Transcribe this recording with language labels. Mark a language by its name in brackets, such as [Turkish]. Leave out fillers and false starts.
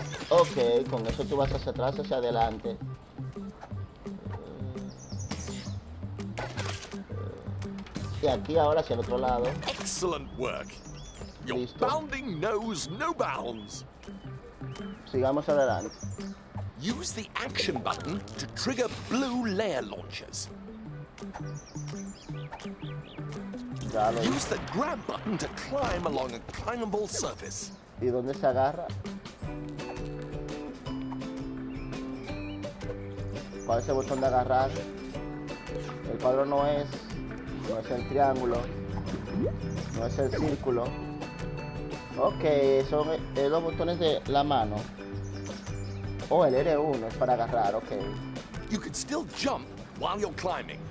[Spanish] Okay, con eso tú vas hacia atrás, hacia adelante. Y aquí ahora hacia el otro lado. [English] Excellent work. Your [Spanish] listo. [English] Bounding knows no bounds. [Spanish] Sigamos adelante. [English] Use the action button to trigger blue layer launchers. [Spanish] Dale. [English] Use the grab button to climb along a climbable surface. [Spanish] ¿Y dónde se agarra? ¿Cuál es el botón de agarrar? El cuadro no es el triángulo, no es el círculo. Ok, son los botones de la mano. Oh, el R1 es para agarrar, ok. [English] You can still jump while you're climbing.